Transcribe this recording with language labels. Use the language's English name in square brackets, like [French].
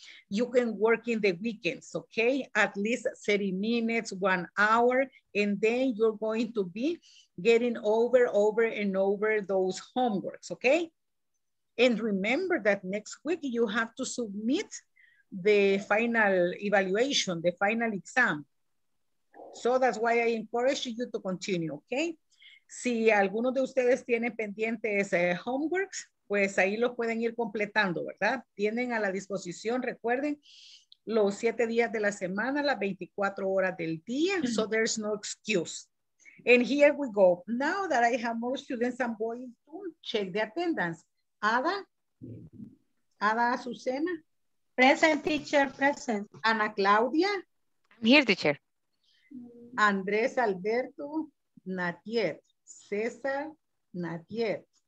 [English] You can work in the weekends, okay? At least 30 minutes, 1 hour, and then you're going to be getting over and over those homeworks, okay? And remember that next week you have to submit the final evaluation, the final exam. So that's why I encourage you to continue, okay? [Spanish] Si alguno de ustedes tiene pendientes homeworks, pues ahí lo pueden ir completando, ¿verdad? Tienen a la disposición, recuerden, los 7 días de la semana, las 24 horas del día, mm-hmm. [English] So there's no excuse. And here we go. Now that I have more students, I'm going to check the attendance. Ada Azucena. Present, teacher, present. Ana Claudia. I'm here, teacher. Andrés Alberto, not yet. César, not yet.